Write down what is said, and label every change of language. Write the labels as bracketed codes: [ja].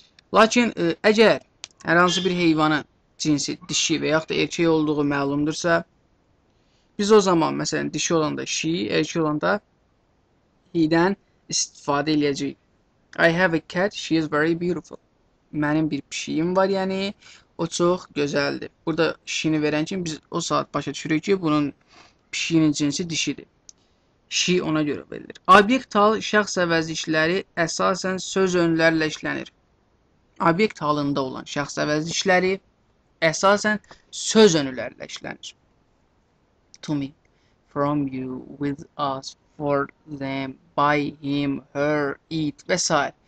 [az] Lakin əgər hər hansı bir heyvanın cinsi dişi və yaxud da erkək olduğu məlumdursa, biz o zaman məsələn dişi olanda she, erkək olanda he-dən istifadə eləyəcəyik. [en] I have a cat, she is very beautiful. [az] Mənim bir pişiyim var, yəni o çox gözəldir. Burada şini verən kimi biz o saat başa düşürük ki, bunun pişiyinin cinsi dişidir. Şi ona görə verilir. Obyekt hal şəxs əvəzi işləri əsasən söz önlərlə işlənir. Obyekt halında olan şəxs əvəzi işləri əsasən söz önlərlə işlənir. [en] To me, from you, with us, for them, by him, her, it və s.